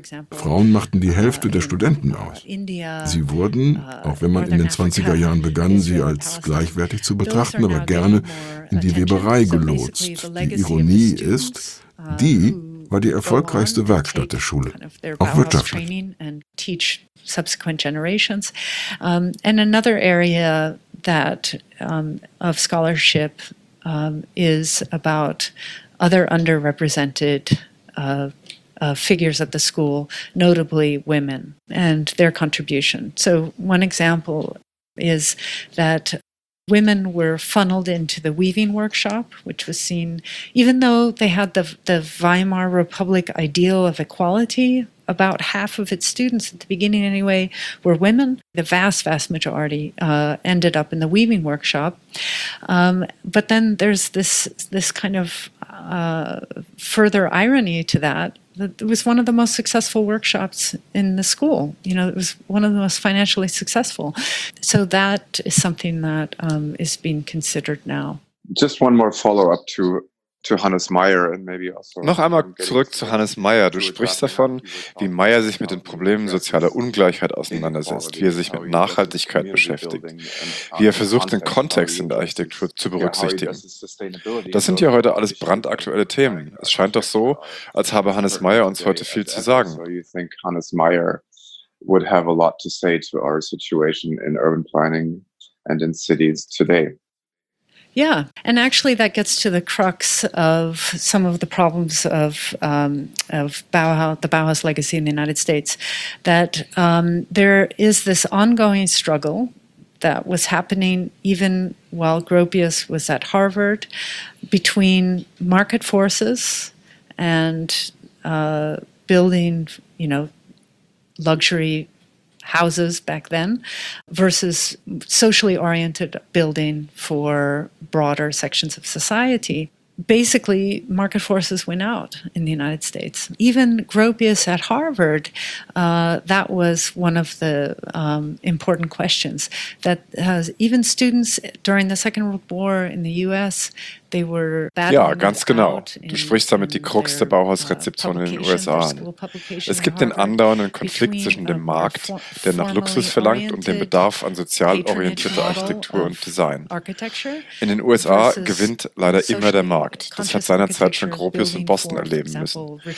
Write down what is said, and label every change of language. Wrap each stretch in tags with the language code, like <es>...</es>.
<de>Frauen machten die Hälfte der Studenten aus. Sie wurden, auch wenn man in den 20er Jahren begann, sie als gleichwertig zu betrachten, aber gerne in die Weberei gelotst. Die Ironie ist, die war die erfolgreichste Werkstatt der Schule, auch wirtschaftlich.</de> <en>Subsequent generations. And another area that of scholarship is about other underrepresented figures at the school, notably women and their contribution. So one example is that women were funneled into the weaving workshop, which was seen, even though they had the Weimar Republic ideal of equality, about half of its students at the beginning anyway were women. The vast, vast majority ended up in the weaving workshop. But then there's this kind of further irony to that. It was one of the most successful workshops in the school. You know, it was one of the most financially successful. So that is something that is being considered now. Just one more follow-up to Hannes Meyer and maybe also.</en> <de>Noch einmal zurück zu Hannes Meyer. Du sprichst davon, wie Meyer sich mit den Problemen sozialer Ungleichheit auseinandersetzt, wie er sich mit Nachhaltigkeit beschäftigt, wie er versucht, den Kontext in der Architektur zu berücksichtigen. Das sind ja heute alles brandaktuelle Themen. Es scheint doch so, als habe Hannes Meyer uns heute viel zu sagen.</de> <en>Hannes Meyer would have a lot to say to our situation in urban planning and in cities today. Yeah, and actually that gets to the crux of some of the problems of Bauhaus, the Bauhaus legacy in the United States, that there is this ongoing struggle that was happening even while Gropius was at Harvard between market forces and building, you know, luxury houses back then versus socially oriented building for broader sections of society. Basically, market forces win out in the United States. Even Gropius at Harvard, that was one of the important questions, that even students during the Second World War in the U.S., they were battling.</en> <de>Ja, ganz genau. Du sprichst damit die Krux der Bauhausrezeption in den USA an. Es gibt den andauernden Konflikt zwischen dem Markt, der nach Luxus verlangt, und dem Bedarf an sozial orientierter Architektur und Design. In den USA gewinnt leider immer der Markt. Das hat seinerzeit schon Gropius in Boston erleben müssen.</de>